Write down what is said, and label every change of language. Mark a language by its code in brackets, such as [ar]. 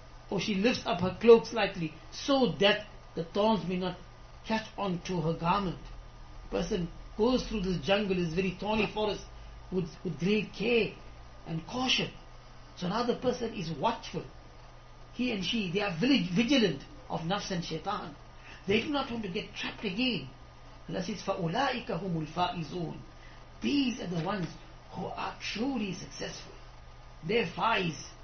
[en] Or she lifts up her cloak slightly so that the thorns may not catch onto her garment. Person goes through this jungle, this very thorny forest, with great care and caution. So now the person is watchful. He and she, they are vigilant of nafs and shaitan. They do not want to get trapped again. [ar] Allah says, فَأُولَٰئِكَ هُمُ الْفَائِزُونَ. [en] These are the ones who are truly successful. They're faiz.